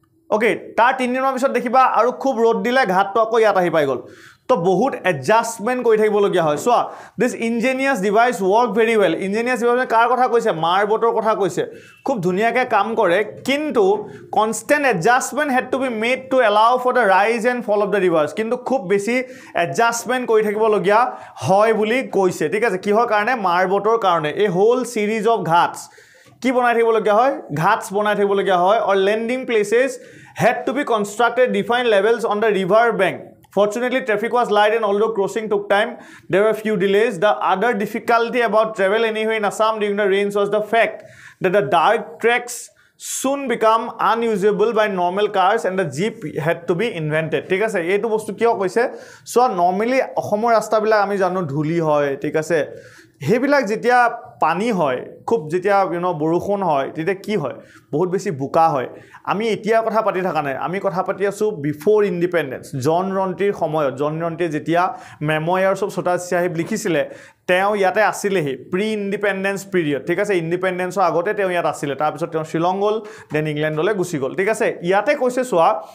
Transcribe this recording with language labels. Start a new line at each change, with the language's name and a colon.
Assamese: Okay তাৰ তিনিদিনৰ পিছত দেখিবা আৰু খুব ৰ'দ দিলে ঘাটটো আকৌ ইয়াত আহি পাই গ'ল তো বহুত এডজাষ্টমেণ্ট কৰি থাকিবলগীয়া হয় চোৱা
English: this engineers devices work very well
Assamese: ইঞ্জিনিয়াছ device কাৰ কথা কৈছে মাৰ বটৰ কথা কৈছে খুব ধুনীয়াকৈ কাম কৰে কিন্তু
English: constant adjustment had to be made to allow for the rise and fall of the rivers
Assamese: কিন্তু খুব বেছি এডজাষ্টমেণ্ট কৰি থাকিবলগীয়া হয় বুলি কৈছে ঠিক আছে কিহৰ কাৰণে মাৰ বটৰ কাৰণে এই
English: whole series of ghats
Assamese: কি বনাই থাকিবলগীয়া হয়
English: ঘাটছ বনাই থাকিবলগীয়া হয় or landing places had to be constructed define levels on the river bank Fortunately, traffic was light and although crossing took time, there were few delays. The other difficulty about travel anyway in Assam during the rains was the fact that the dark tracks soon become unusable by normal cars and the jeep had to be invented.
Assamese: ঠিক আছে এইটো বস্তু কিয় কৈছে চ' normally অসমৰ ৰাস্তাবিলাক আমি জানো ধূলি হয় ঠিক আছে সেইবিলাক যেতিয়া পানী হয় খুব যেতিয়া ইউ ন বৰষুণ হয় তেতিয়া কি হয় বহুত বেছি বোকা হয় আমি এতিয়া কথা পাতি থকা নাই আমি কথা পাতি আছোঁ বিফৰ ইণ্ডিপেণ্ডেন্স জন ৰণ্ট্ৰীৰ সময়ত জন ৰণ্ট্ৰীয়ে যেতিয়া মেমোয়াৰ্ছ অফ ছোটা চাহিব লিখিছিলে তেওঁ ইয়াতে আছিলেহি প্ৰি ইণ্ডিপেণ্ডেন্স পিৰিয়ড ঠিক আছে ইণ্ডিপেণ্ডেন্সৰ আগতে তেওঁ ইয়াত আছিলে তাৰপিছত তেওঁ শ্বিলং গ'ল দেন ইংলেণ্ডলৈ গুচি গ'ল ঠিক আছে ইয়াতে কৈছে চোৱা